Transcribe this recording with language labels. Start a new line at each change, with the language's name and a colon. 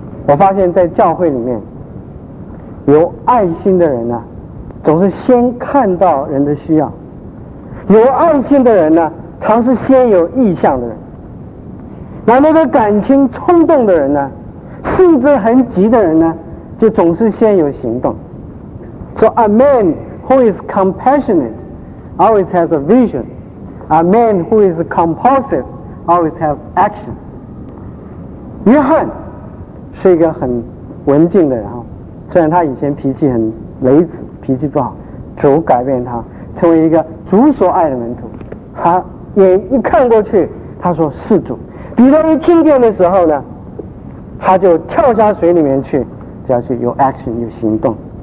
Chinese: 我发现在教会里面有爱心的人呢、总是先看到人的需要，有爱心的人呢、常是先有意向的人，那那个感情冲动的人呢、性子很急的人呢，就总是先有行动。
English: So a man who is compassionate always has a vision. A man who is compulsive always has action.
Chinese: 约翰是一个很文静的人，虽然他以前脾气很雷子，脾气不好，主改变他成为一个主所爱的门徒。他眼一看过去，他说是主。彼得一听见的时候呢，他就跳下水里面去，就要去有 action 有行动。